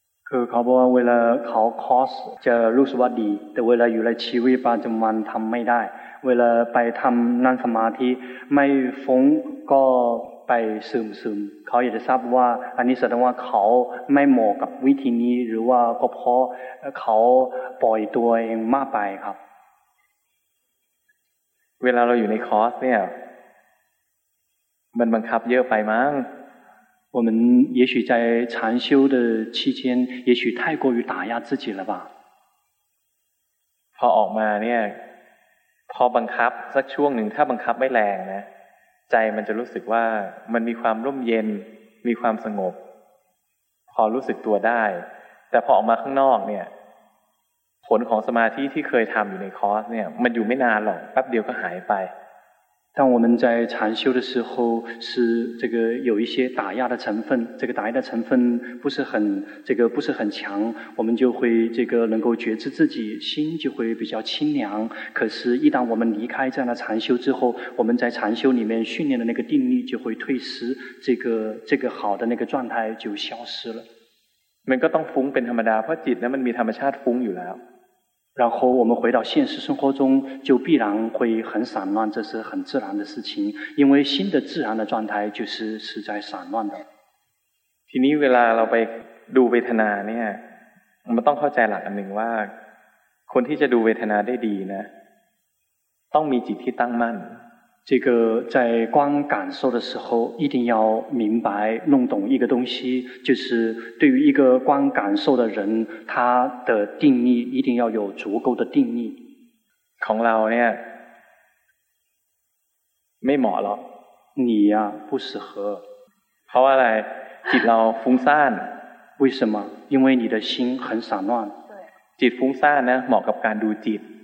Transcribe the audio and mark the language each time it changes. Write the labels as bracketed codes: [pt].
[th] คือเขาบอกว่าเวลาเขาคอร์สจะรู้สึกว่าดีแต่เวลาอยู่ในชีวิตประจำวันทำไม่ได้เวลาไปทำนั่งสมาธิไม่ฟุ้งก็ไปซึมเขาอยากจะทราบว่าอันนี้แสดงว่าเขาไม่เหมาะกับวิธีนี้หรือว่าก็เพราะเขาปล่อยตัวเองมากไปครับ เวลาเราอยู่ในคอร์สเนี่ยมันบังคับเยอะไปมั้ง [zh] 我们也许在禅修的期间，也许太过于打压自己了吧。 [th] พอออกมาเนี่ยพอบังคับสักช่วงหนึ่งถ้าบังคับไม่แรงนะใจมันจะรู้สึกว่ามันมีความร่มเย็นมีความสงบพอรู้สึกตัวได้แต่พอออกมาข้างนอกเนี่ยผลของสมาธิที่เคยทำอยู่ในคอร์สเนี่ยมันอยู่ไม่นานหรอกแป๊บเดียวก็หายไป [zh] 当我们在禅修的时候，是这个有一些打压的成分，这个打压的成分不是很强，我们就会这个能够觉知自己，心就会比较清凉。可是，一旦我们离开这样的禅修之后，我们在禅修里面训练的那个定力就会退失，这个好的那个状态就消失了。 [th] มันก็ต้องฟุ้งเป็นธรรมดาเพราะจิตนั้นมันมีธรรมชาติฟุ้งอยู่แล้ว [zh] 然后我们回到现实生活中就必然会很散乱这是很自然的事情因为心的自然的状态就是实在散乱的 [th] ทีนี้เวลาเราไปดูเวทนาเนี่ยมันต้องเข้าใจหลักอันหนึ่งว่าคนที่จะดูเวทนาได้ดีนะต้องมีจิตที่ตั้งมั่น [zh] 这个在观感受的时候一定要明白弄懂一个东西就是对于一个观感受的人他的定力一定要有足够的定力 [th] ของเราเนี่ยไม่เหมาะหรอก [zh] 你呀不适合 [th] เพราะอะไรจิตเราฟุ้งซ่าน [zh] 为什么因为你的心很散乱 [th] จิตฟุ้งซ่านนะเหมาะกับการดูจิต